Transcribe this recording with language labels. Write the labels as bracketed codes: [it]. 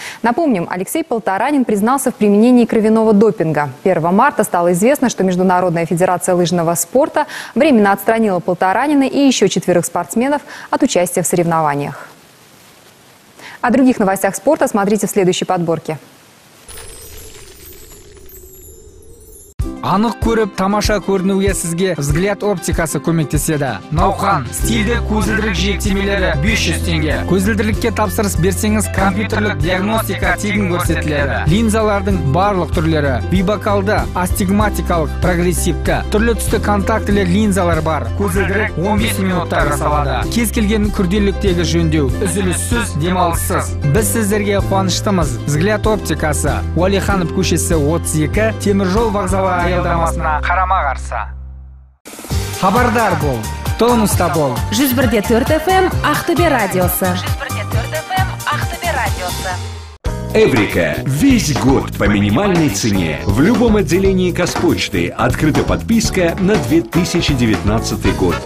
[ru] Напомним, Алексей Полторанин признался в применении кровяного допинга. 1 марта стало известно, что Международная федерация лыжного спорта временно отстранила Полторанина и еще 4 спортсменов от участия в соревнованиях. О других новостях спорта смотрите в следующей подборке. [kk] Анық көріп, тамаша көрінуге сізге взгляд оптикасы көмектеседі. Науқан, стильді көзілдірік жиектемелері 500 теңге. Көзілдірікке тапсырыс берсеңіз компьютерлік диагностика тегін көрсетіледі. Линзалардың барлық түрлері, бибокалды, астигматикалық, прогрессивті, түрлі түсті контактілі линзалар бар. Көзілдірік 15 минутта жасалады. Кез келген күрделіліктегі жөндеу, үзіліссіз, демалыссыз. Біз сіздерге қуаныштымыз. Взгляд оптикасы, Уәлиханов көшесі 32, теміржол вокзалы аялдамасына қарама қарсы. Хабардар бол, тонуста бол. 101.4 FM Ақтөбе радиосы. [ru] Эврика. Весь год по минимальной цене. В любом отделении Казпочты открыта подписка на 2019 год.